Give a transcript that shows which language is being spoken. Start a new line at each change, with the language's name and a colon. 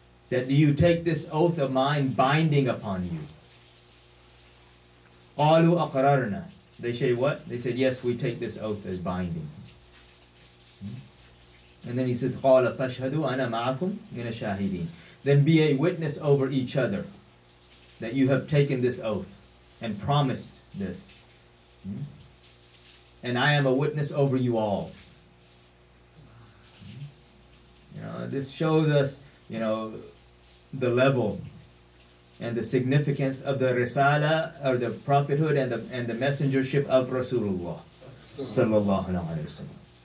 English: That you take this oath of mine binding upon you.
Arabic: قَالُوا أَقْرَرْنَا.
English: They say what? They said, yes, we take this oath as binding. And then he says,
Arabic: قَالَ فَشْهَدُوا أَنَا مَعَكُمْ مِنَ الشَّاهِدِينَ.
English: Then be a witness over each other that you have taken this oath and promised this. And I am a witness over you all. You know, this shows us, you know, the level and the significance of the risala or the prophethood and the messengership of Rasulullah sallallahu alaihi wasallam.